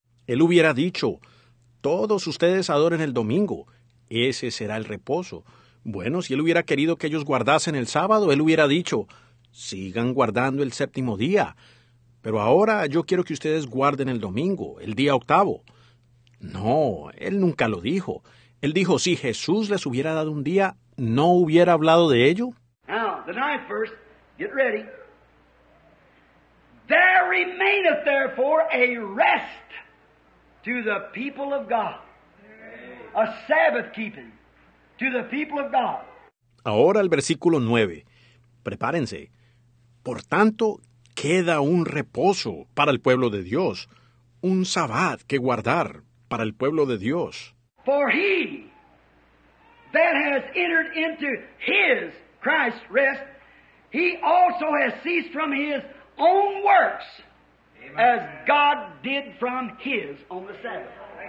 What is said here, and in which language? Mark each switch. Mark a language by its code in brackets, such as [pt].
[es] Él hubiera dicho, todos ustedes adoren el domingo. Ese será el reposo. Bueno, si él hubiera querido que ellos guardasen el sábado, él hubiera dicho, sigan guardando el séptimo día. Pero ahora yo quiero que ustedes guarden el domingo, el día octavo. No, él nunca lo dijo. Él dijo, si Jesús les hubiera dado un día, ¿no hubiera hablado de ello? [en] Now, the ninth verse, get ready. There remaineth therefore a rest to the people of God. A Sabbath keeping to the people of God. [es] Ahora el versículo 9. Prepárense. Por tanto, queda un reposo para el pueblo de Dios, un sabbat que guardar para el pueblo de Dios. [en] For he that has entered into his Christ's rest, he also has ceased from his own works, amen, as God did from his on the Sabbath.